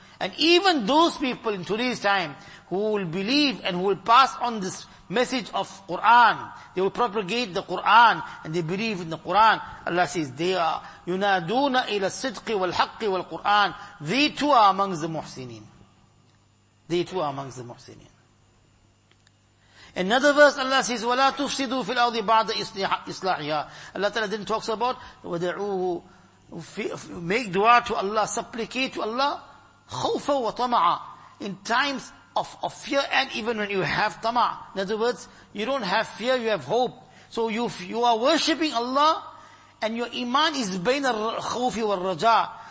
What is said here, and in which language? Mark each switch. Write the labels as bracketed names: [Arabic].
[English] And even those people in today's time who will believe and who will pass on this message of Quran, they will propagate the Quran and they believe in the Quran. Allah says, they are [Arabic] yunaduna ila sidqi wal haqqi wal Quran. [English] They too are amongst the muhsinin. They too are amongst the muhsinin. Another verse, Allah says, [Arabic] وَلَا تُفْسِدُوا فِي الْأَرْضِ بَعْدَ إِصْلَاحِهَا. [English] Allah Ta'ala then talks about, [Arabic] وَدَعُوهُ, [English] make dua to Allah, supplicate to Allah, [Arabic] خَوْفَ وَطَمَعَ, [English] in times of fear and even when you have tama'. In other words, you don't have fear, you have hope. So you are worshipping Allah and your iman is [Arabic] بين الخوف والرجاء.